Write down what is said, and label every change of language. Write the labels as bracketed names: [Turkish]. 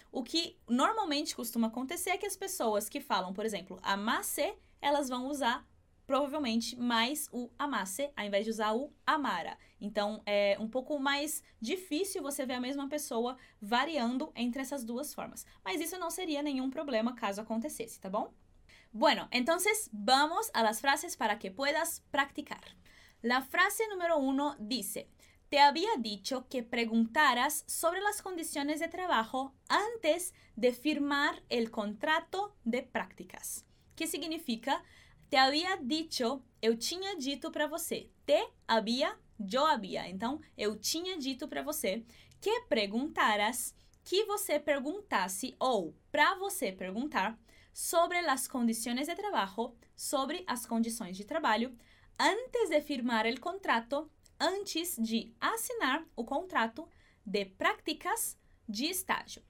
[Portuguese] O que normalmente costuma acontecer é que as pessoas que falam, por exemplo, amasse, elas vão usar provavelmente mais o amasse, ao invés de usar o amara. Então, é um pouco mais difícil você ver a mesma pessoa variando entre essas duas formas. Mas isso não seria nenhum problema caso acontecesse, tá bom? [Spanish] Bueno, entonces vamos a las frases para que puedas practicar. La frase número uno dice, te había dicho que preguntaras sobre las condiciones de trabajo antes de firmar el contrato de prácticas. [Portuguese] Que significa... [Spanish] Te había dicho, [Portuguese] eu tinha dito para você. [Spanish] Te había, yo había. [Portuguese] Então, eu tinha dito para você [Spanish] que preguntaras, [Portuguese] que você perguntasse ou para você perguntar [Spanish] sobre las condiciones de trabajo, [Portuguese] sobre as condições de trabalho, [Spanish] antes de firmar el contrato, [Portuguese] antes de assinar o contrato de prácticas de estágio.